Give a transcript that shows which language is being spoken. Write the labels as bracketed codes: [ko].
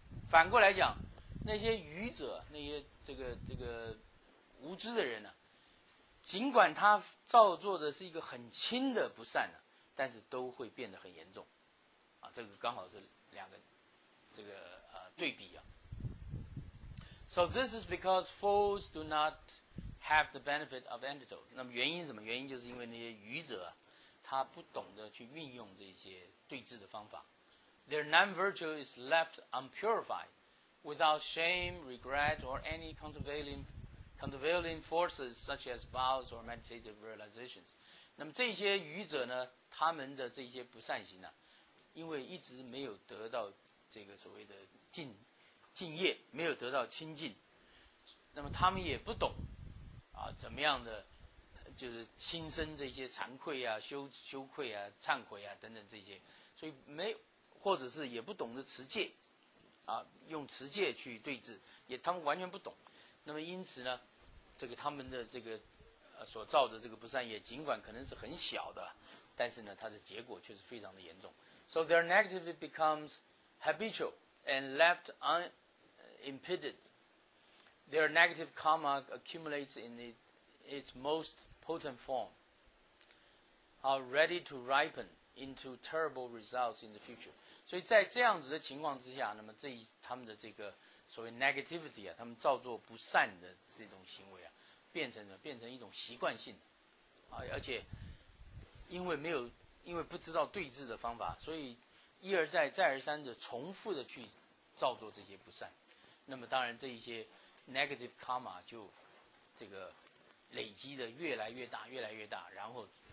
[zh] 反过来讲，那些愚者，那些这个无知的人呢、啊，尽管他造作的是一个很轻的不善呢、啊，但是都会变得很严重啊、这个刚好是两个这个对比啊。 [en] So this is because fools do not have the benefit of antidote. [zh] 那么原因是什么？原因就是因为那些愚者、啊、他不懂得去运用这些对治的方法。 [en] Their non-virtue is left unpurified without shame, regret or any countervailing forces such as vows or meditative realizations. [zh] 那么这些愚者呢，他们的这些不善行呢、啊，因为一直没有得到这个所谓的净业，没有得到清净，那么他们也不懂啊，怎么样的就是心生这些惭愧啊、羞愧啊、忏悔啊等等这些，所以没有，或者是也不懂得持戒啊，用持戒去对治，也他们完全不懂。那么因此呢，这个他们的这个所造的这个不善业，尽管可能是很小的，但是呢，它的结果却是非常的严重。 [en] So their negativity becomes habitual and left unimpeded. Their negative karma accumulates in its most potent form, are ready to ripen into terrible results in the future. [zh] 所以在这样子的情况之下，那么这他们的这个所谓 negativity 啊，他们造作不善的这种行为啊，变成一种习惯性啊，而且因为不知道对治的方法，所以一而再再而三的重复的去造作这些不善，那么当然这一些 negative karma 就这个累积的越来越大越来越大，然后